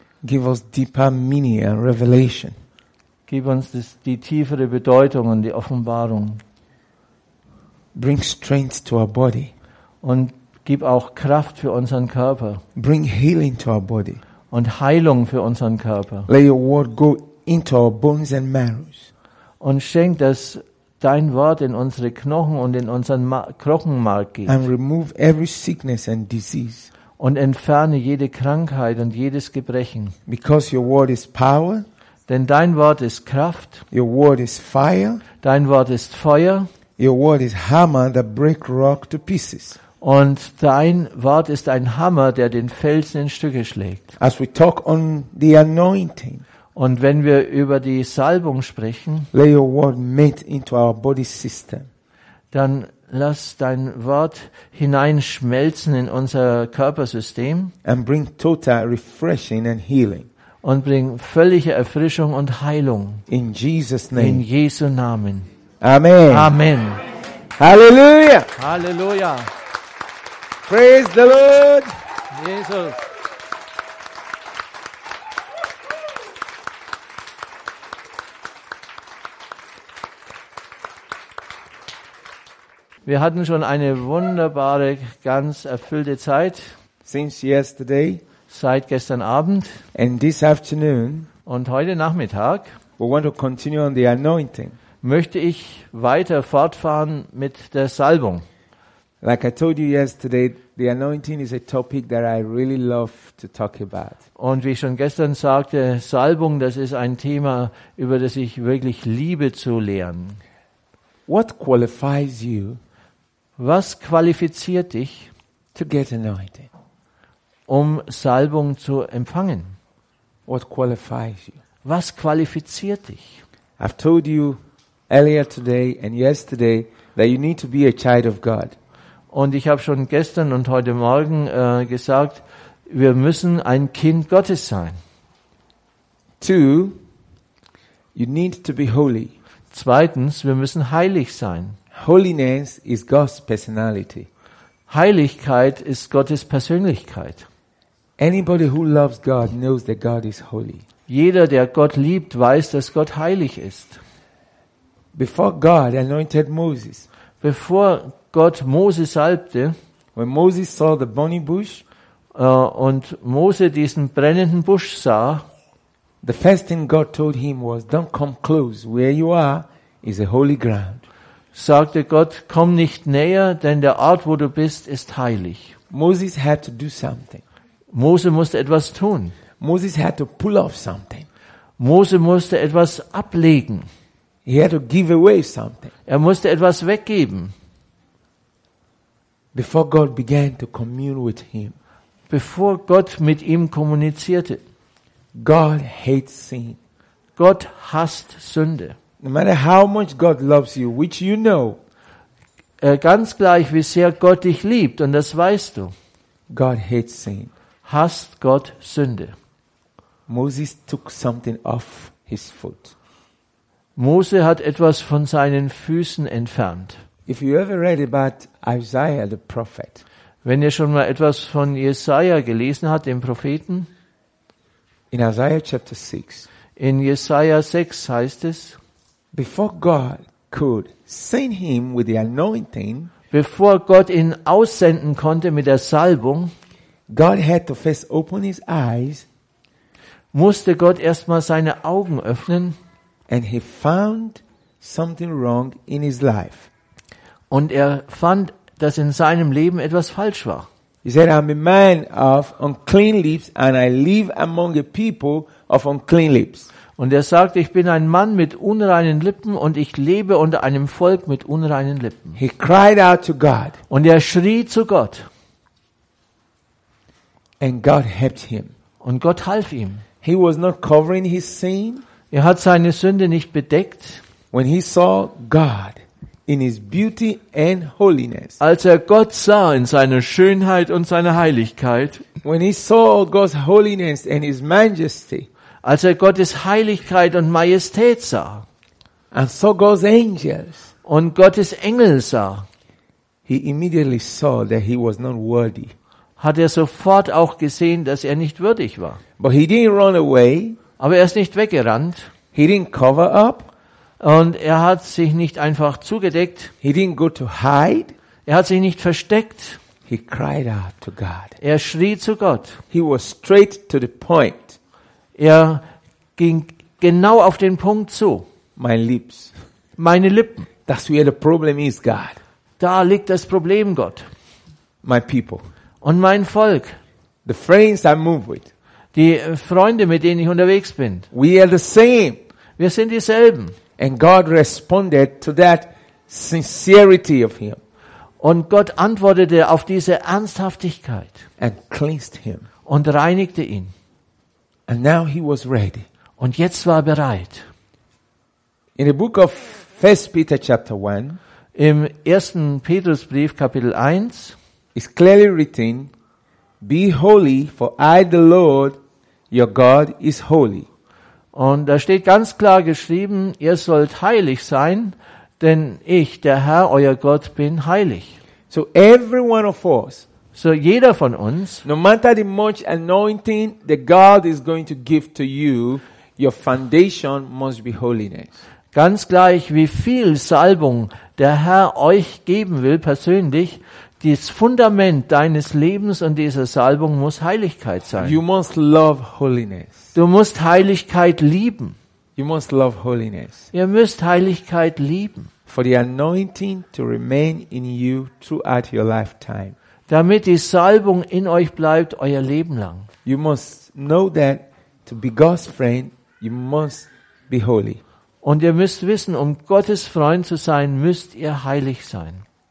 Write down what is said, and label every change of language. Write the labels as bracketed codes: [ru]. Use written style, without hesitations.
[en] Give us deeper meaning and revelation. [de] Gib uns die tiefere Bedeutung und die Offenbarung. [en] Bring strength to our body. [de] Und gib auch Kraft für unseren Körper. [en] Bring healing to our body. [de] Und Heilung für unseren Körper. [en] Let your word go into our bones and marrows. [de] Und schenk, dass dein Wort in unsere Knochen und in unseren Knochenmark geht. [en] And remove every sickness and disease. [de] Und entferne jede Krankheit und jedes Gebrechen. [en] Because your word is power. [de] Denn dein Wort ist Kraft. [en] Your word is fire. [de] Dein Wort ist Feuer. [en] Your word is hammer that break rock to pieces. [de] Und dein Wort ist ein Hammer, der den Felsen in Stücke schlägt. [en] As we talk on the anointing. [de] Und wenn wir über die Salbung sprechen, [en] lay your word meat into our body system. [de] Dann lass dein Wort hineinschmelzen in unser Körpersystem. [en] And bring total refreshing and healing. [de] Und bring völlige Erfrischung und Heilung. [en] In Jesus' name. [de] In Jesu Namen. [en] Amen. [de] Amen. [en] Halleluja. [de] Halleluja. [en] Praise the Lord. Jesus. [de] Wir hatten schon eine wunderbare, ganz erfüllte Zeit. [en] Since yesterday. [de] Seit gestern Abend. [en] And this afternoon. [de] Und heute Nachmittag. [en] We want to continue on the anointing. [de] Möchte ich weiter fortfahren mit der Salbung. [en] Like I told you yesterday, the anointing is a topic that I really love to talk about. [de] Und wie ich schon gestern sagte, Salbung, das ist ein Thema, über das ich wirklich liebe zu lehren. [en] What qualifies you? [de] Was qualifiziert dich [en] to get anointed? [de] Um Salbung zu empfangen. [en] What qualifies you? [de] Was qualifiziert dich? [en] I've told you earlier today and yesterday that you need to be a child of God. [de] Und ich habe schon gestern und heute Morgen gesagt, wir müssen ein Kind Gottes sein. [en] Two, you need to be holy. [de] Zweitens, wir müssen heilig sein. [en] Holiness is God's personality. [de] Heiligkeit ist Gottes Persönlichkeit. [en] Anybody who loves God knows that God is holy. [de] Jeder, der Gott liebt, weiß, dass Gott heilig ist. [en] Before God anointed Moses. [de] Bevor Gott Mose salbte, [en] when Moses saw the burning bush, [de] und Mose diesen brennenden Busch sah, [en] the first thing God told him was, "Don't come close. Where you are is a holy ground." [de] Sagte Gott, komm nicht näher, denn der Ort, wo du bist, ist heilig. [en] Moses had to do something. [de] Mose musste etwas tun. [en] Moses had to pull off something. [de] Mose musste etwas ablegen. [en] He had to give away something. [de] Er musste etwas weggeben. [en] Before God began to commune with him. [de] Bevor Gott mit ihm kommunizierte. [en] God hates sin. [de] Gott hasst Sünde. [en] No matter how much God loves you, which you know. [de] Ganz gleich wie sehr Gott dich liebt und das weißt du. [en] God hates sin. [de] Hasst Gott Sünde. [en] Moses took something off his foot. [de] Mose hat etwas von seinen Füßen entfernt. [en] If you ever read about Isaiah the prophet. [de] Wenn ihr schon mal etwas von Jesaja gelesen habt, dem Propheten. [en] In Isaiah chapter 6. [de] In Jesaja 6 heißt es, [en] before God could send him with the anointing, [de] bevor Gott ihn aussenden konnte mit der Salbung, [en] God had to first open his eyes. [de] Musste Gott erstmal seine Augen öffnen. [en] And he found something wrong in his life. [de] Und er fand, dass in seinem Leben etwas falsch war. [en] He said, I'm a man of unclean lips and I live among a people of unclean lips. [de] Und er sagte, ich bin ein Mann mit unreinen Lippen und ich lebe unter einem Volk mit unreinen Lippen. [en] He cried out to God. [de] Und er schrie zu Gott. [en] And God helped him. [de] Und Gott half ihm. [en] He was not covering his sin. [de] Er hat seine Sünde nicht bedeckt. [en] When he saw God, in his beauty and holiness. [de] Als er Gott sah in seiner Schönheit und seiner Heiligkeit. [en] When he saw God's holiness and his majesty. [de] Als er Gottes Heiligkeit und Majestät sah. [en] And saw God's angels. [de] Und Gottes Engel sah. [en] He immediately saw that he was not worthy. [de] Hat er sofort auch gesehen, dass er nicht würdig war. [en] But he didn't run away. [de] Aber er ist nicht weggerannt. [en] He didn't cover up. [de] Und er hat sich nicht einfach zugedeckt. [en] He didn't go to hide. [de] Er hat sich nicht versteckt. [en] He cried out to God. [de] Er schrie zu Gott. [en] He was straight to the point. [de] Er ging genau auf den Punkt zu. [en] My lips. [de] Meine Lippen. [en] That's where the problem is, God. [de] Da liegt das Problem, Gott. [en] My people. [de] Und mein Volk. [en] The friends I move with. [de] Die Freunde, mit denen ich unterwegs bin. [en] We are the same. [de] Wir sind dieselben. [en] And God responded to that sincerity of him. [de] Und Gott antwortete auf diese Ernsthaftigkeit. [en] And cleansed him. [de] Und reinigte ihn. [en] And now he was ready. [de] Und jetzt war er bereit. [en] In the book of 1 Peter chapter 1, [de] im 1. Petrusbrief Kapitel 1, [en] is clearly written, be holy, for I the Lord your God is holy. [de] Und da steht ganz klar geschrieben, ihr sollt heilig sein, denn ich, der Herr, euer Gott, bin heilig. [en] So every one of us, [de] so jeder von uns, [en] no matter the much anointing that God is going to give to you, your foundation must be holiness. [de] Ganz gleich, wie viel Salbung der Herr euch geben will, persönlich, das Fundament deines Lebens und dieser Salbung muss Heiligkeit sein. [en] You must love holiness. [de] Du musst Heiligkeit lieben. [en] You must love holiness. [de] Ihr müsst Heiligkeit lieben. [en] For the anointing to remain in you throughout your lifetime. [de] Damit die Salbung in euch bleibt euer Leben lang. [en] You must know that to be God's friend, you must be holy. [de] Und ihr müsst wissen, um Gottes Freund zu sein, müsst ihr heilig sein.